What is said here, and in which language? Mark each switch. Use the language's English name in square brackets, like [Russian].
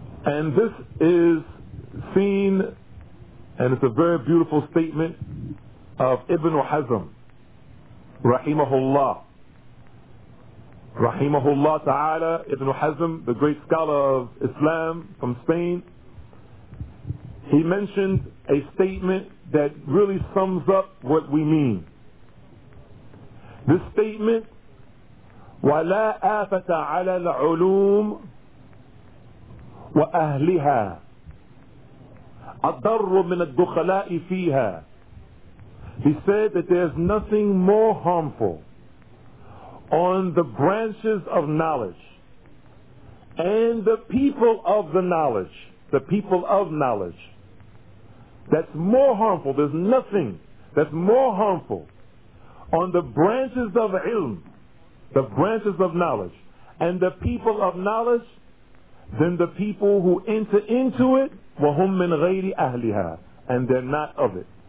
[English] And this is seen, and it's a very beautiful statement of Ibn Hazm, rahimahullah. Rahimahullah ta'ala, Ibn Hazm, the great scholar of Islam from Spain, he mentioned a statement that really sums up what we mean. This statement, [Arabic] وَلَا آفَةَ عَلَى الْعُلُومِ وأهلها أضر من الدخلاء فيها. [English] He said that there's nothing more harmful on the branches of knowledge and the people of the knowledge, the people of knowledge. That's more harmful. There's nothing that's more harmful on the branches of ilm, the branches of knowledge, and the people of knowledge than the people who enter into it, [Arabic] وَهُمْ مِنْ غَيْرِ أَهْلِهَا, [English] and they're not of it.